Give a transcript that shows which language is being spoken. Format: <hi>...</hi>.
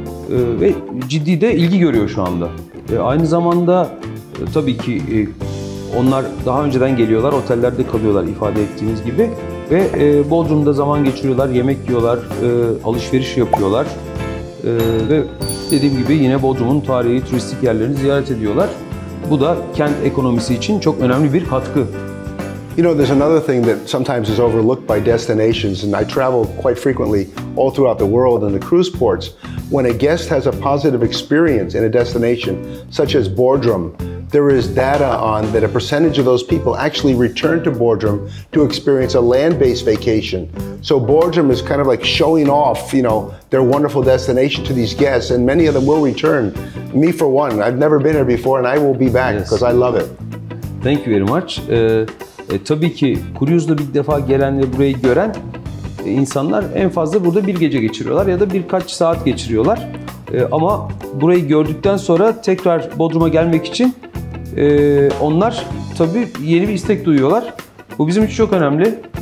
<tr>Ve ciddi de ilgi görüyor şu anda. Aynı zamanda tabii ki onlar daha önceden geliyorlar, otellerde kalıyorlar ifade ettiğiniz gibi. Ve Bodrum'da zaman geçiriyorlar, yemek yiyorlar, alışveriş yapıyorlar. Ve dediğim gibi yine Bodrum'un tarihi, turistik yerlerini ziyaret ediyorlar. Bu da kent ekonomisi için çok önemli bir katkı.</tr> <en>You know, there's another thing that sometimes is overlooked by destinations, and I travel quite frequently all throughout the world in the cruise ports. When a guest has a positive experience in a destination, such as Bodrum, there is data on that a percentage of those people actually return to Bodrum to experience a land-based vacation. So Bodrum is kind of like showing off, you know, their wonderful destination to these guests, and many of them will return. Me for one, I've never been here before, and I will be back because I love it. Thank you very much.</en> <tr>Tabii ki kruvazla bir defa gelen ve burayı gören insanlar en fazla burada bir gece geçiriyorlar ya da birkaç saat geçiriyorlar. Ama burayı gördükten sonra tekrar Bodrum'a gelmek için onlar tabii yeni bir istek duyuyorlar. Bu bizim için çok önemli.</tr>